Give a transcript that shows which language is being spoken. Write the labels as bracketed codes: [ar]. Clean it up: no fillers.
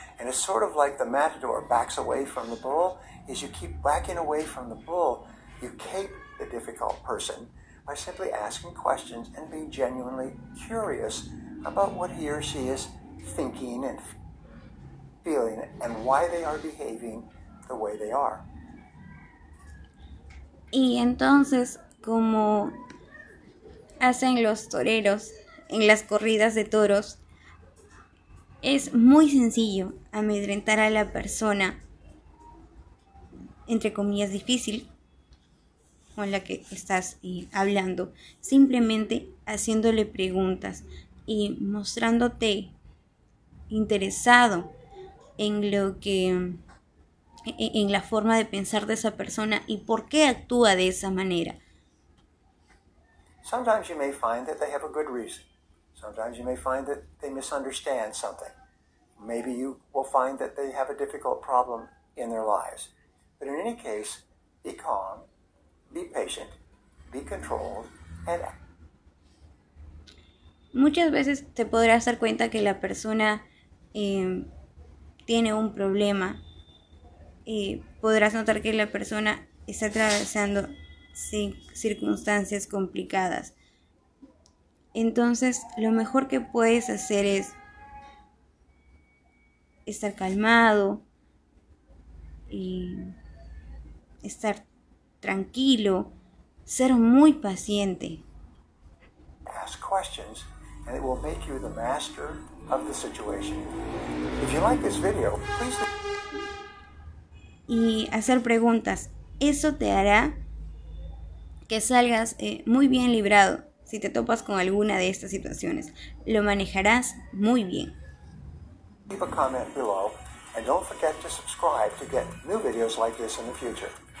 [en] And it's sort of like the matador backs away from the bull. As you keep backing away from the bull, you cape the difficult person by simply asking questions and being genuinely curious about what he or she is thinking and feeling and why they are behaving the way they are. [es] Y entonces, como hacen los toreros en las corridas de toros, es muy sencillo amedrentar a la persona, entre comillas, difícil, con la que estás hablando, simplemente haciéndole preguntas y mostrándote interesado en lo que, en la forma de pensar de esa persona y por qué actúa de esa manera. [en] Sometimes you may find that they have a good reason. Sometimes you may find that they misunderstand something. Maybe you will find that they have a difficult problem in their lives. But in any case, be calm. Be patient, be controlled, and [es] muchas veces te podrás dar cuenta que la persona tiene un problema y podrás notar que la persona está atravesando circunstancias complicadas. Entonces, lo mejor que puedes hacer es estar calmado y estar tranquilo, ser muy paciente. [en] Ask questions and it will make you the master of the situation. If you like this video, please. [es] Y hacer preguntas, eso te hará que salgas muy bien librado si te topas con alguna de estas situaciones. Lo manejarás muy bien. [en] Leave a comment below and don't forget to subscribe to get new videos like this in the future.